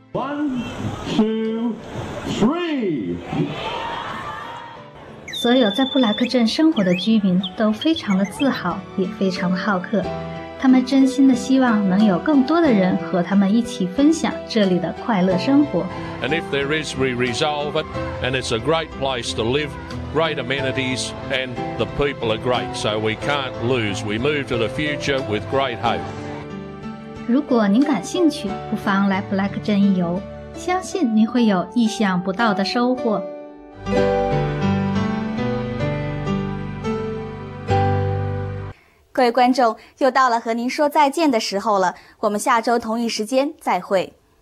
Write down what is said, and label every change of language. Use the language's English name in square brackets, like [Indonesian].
[Chinese] 1, 2, 3。所有在布莱克镇生活的居民都非常的自豪，也非常的好客。他们真心的希望能有更多的人和他们一起分享这里的快乐生活。 [English] And if there is, we resolve it, and it's a great place to live. Great amenities and the people are great, so we can't lose. We move to the future with great hope. [Chinese] 如果您感兴趣，不妨来布莱克镇一游，相信您会有意想不到的收获。各位观众，又到了和您说再见的时候了，我们下周同一时间再会。